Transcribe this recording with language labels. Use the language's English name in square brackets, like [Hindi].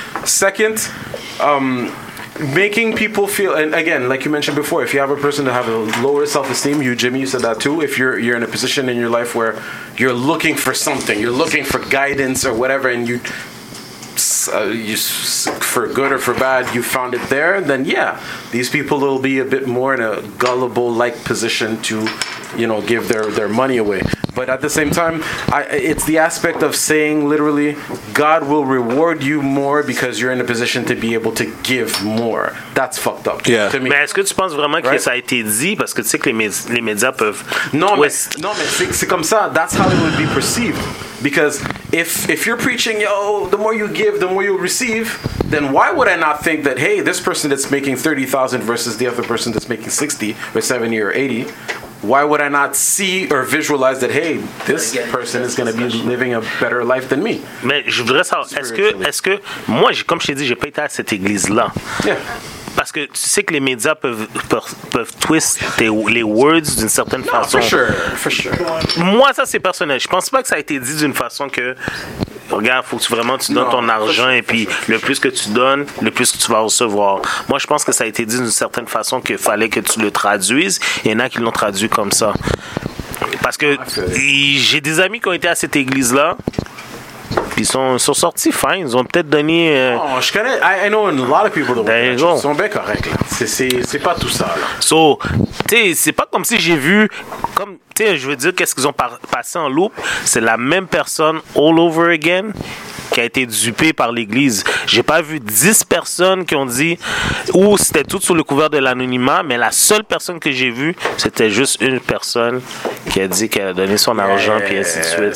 [English] Second, making people feel, and again, like you mentioned before, if you have a person that have a lower self-esteem, you, Jimmy, you said that too, if you're in a position in your life where you're looking for something, you're looking for guidance or whatever, and you for good or for bad, you found it there, then yeah, these people will be a bit more in a gullible-like position to, you know, give their money away. But at the same time, it's the aspect of saying literally, God will reward you more because you're in a position to be able to give more. That's fucked up. Yeah. To me. [French] Mais est-ce que tu penses vraiment que ça a été dit? Parce que tu sais que les médias peuvent... Non, mais c'est comme ça. [English] That's how it would be perceived. Because if you're preaching, yo, the more you give, the more you'll receive, then why would I not think that, hey, this person that's making 30,000 versus the other person that's making 60 or 70 or 80... Why would I not see or visualize that, hey, this person is going to be living a better life than me? [French] Mais je voudrais savoir, est-ce que moi, comme je t'ai dit, j'ai pas été à cette église-là. [English] Yeah. [French] Parce que tu sais que les médias peuvent twist les words d'une certaine façon. [English] For sure, for sure. [French] Moi, ça, c'est personnel. Je pense pas que ça a été dit d'une façon que... Regarde, faut que tu donnes ton argent et puis le plus que tu donnes, le plus que tu vas recevoir. Moi, je pense que ça a été dit d'une certaine façon qu'il fallait que tu le traduises. Il y en a qui l'ont traduit comme ça. Parce que j'ai des amis qui ont été à cette église-là. Puis ils sont sortis fin, ils ont peut-être donné... Non, je connais... [English] I know a lot of people that were [French] ils sont bien corrects, là. C'est pas tout ça, là. So, tu sais, c'est pas comme si j'ai vu... Comme, tu sais, je veux dire, qu'est-ce qu'ils ont passé en loop? C'est la même personne [English] all over again [French] qui a été dupée par l'église. J'ai pas vu 10 personnes qui ont dit... Ou c'était tout sous le couvert de l'anonymat, mais la seule personne que j'ai vue, c'était juste une personne qui a dit qu'elle a donné son argent, puis ainsi de suite.